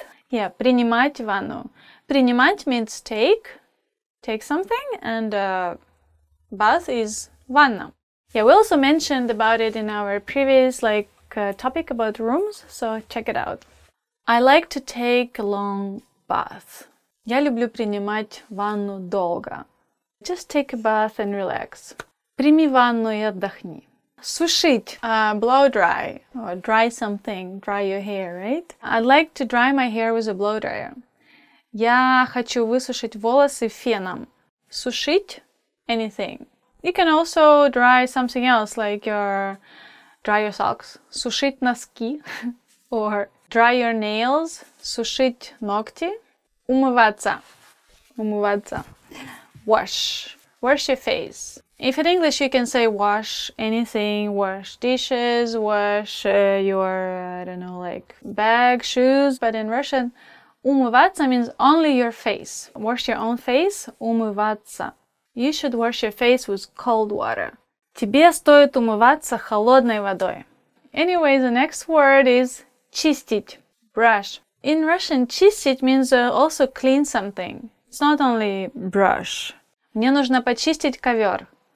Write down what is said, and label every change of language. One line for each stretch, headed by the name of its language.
English: Yeah,
Russian: принимать ванну.
English: Принимать means take something, and bath is ванна. Yeah, we also mentioned about it in our previous topic about rooms, so check it out. I like to take a long bath.
Russian: Я люблю принимать ванну долго.
English: Just take a bath and relax.
Russian: Прими ванну и отдохни. Сушить.
English: Blow dry. Or dry something. Dry your hair, right? I'd like to dry my hair with a blow dryer.
Russian: Я хочу высушить волосы феном. Сушить. Anything.
English: You can also dry something else, like dry your socks.
Russian: Сушить носки.
English: Or dry your nails.
Russian: Сушить ногти. Умываться. Умываться.
English: Wash. Wash your face. If in English you can say wash anything, wash dishes, wash bag, shoes, but in Russian умываться means only your face. Wash your own face, умываться. You should wash your face with cold water.
Russian: Тебе стоит умываться холодной водой.
English: Anyway, the next word is чистить, brush. In Russian, чистить means also clean something. It's not only brush.
Russian: Мне нужно почистить ковер.